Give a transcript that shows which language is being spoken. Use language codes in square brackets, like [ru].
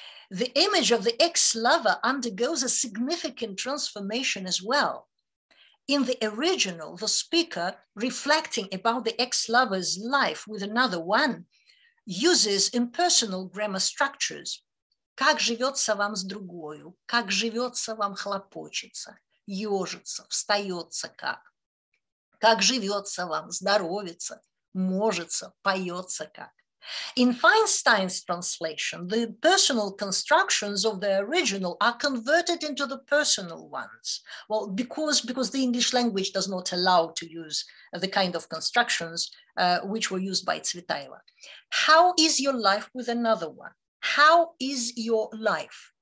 [en] The image of the ex-lover undergoes a significant transformation as well. In the original, the speaker, reflecting about the ex-lover's life with another one, uses impersonal grammar structures. [ru] Как живется вам с другою? Как живется вам хлопочется? Ёжится, встается как? Как живется вам? Здоровится, можется, поется как? [en] In Feinstein's translation, the personal constructions of the original are converted into the personal ones. Well, because the English language does not allow to use the kind of constructions which were used by Tsvetaeva. How is your life with another one? How is your life?